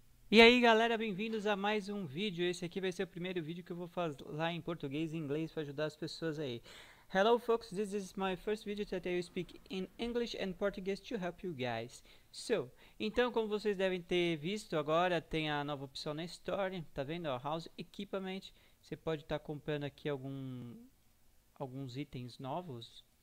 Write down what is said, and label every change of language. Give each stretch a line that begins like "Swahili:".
Portuguese: E aí galera, bem-vindos a mais um vídeo. Esse aqui vai ser o primeiro vídeo que eu vou falar em português e inglês para ajudar as pessoas aí.
English: Hello folks, this is my first video today. I speak in English and Portuguese to help you guys.
Portuguese: Então, como vocês devem ter visto, agora tem a nova opção na Store, tá vendo? House Equipment. Você pode estar comprando aqui alguns itens novos.